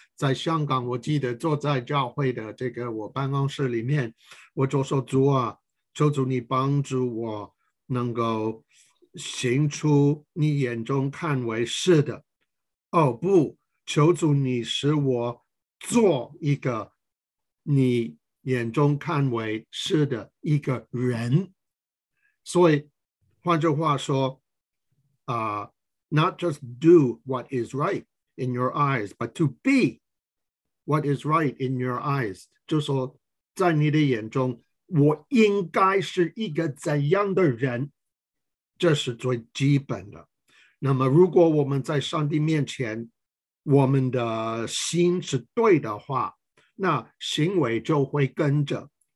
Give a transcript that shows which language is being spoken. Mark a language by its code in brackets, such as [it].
[zh] 在香港，我记得坐在教会的这个我办公室里面，我就说主啊，求主你帮助我能够行出你眼中看为是的。哦不，求主你使我做一个你眼中看为是的一个人。所以，换句话说， [en] not just do what is right in your eyes, but to be what is right in your eyes。 [zh] 就说，在你的眼中，我应该是一个怎样的人？这是最基本的。那么，如果我们在上帝面前，我们的心是对的话，那行为就会跟着。